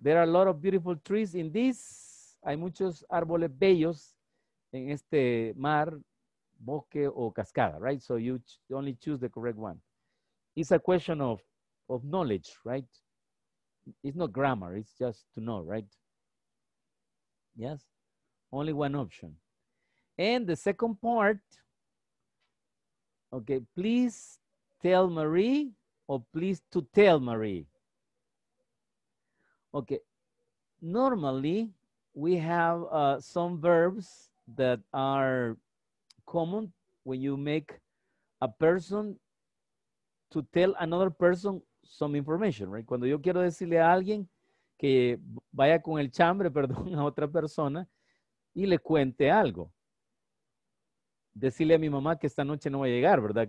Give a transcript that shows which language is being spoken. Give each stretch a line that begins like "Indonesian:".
English: There are a lot of beautiful trees in this.
Spanish: Hay muchos árboles bellos en este mar, bosque o cascada, right?
English: So you only choose the correct one. It's a question of knowledge, right? It's not grammar. It's just to know, right? Yes? Only one option. And the second part, okay, please tell Marie or please to tell Marie. Okay, normally we have some verbs that are common when you make a person to tell another person some information, right?
Spanish: Cuando yo quiero decirle a alguien que vaya con el chambre, perdón, a otra persona y le cuente algo. Decirle a mi mamá que esta noche no va a llegar, ¿verdad?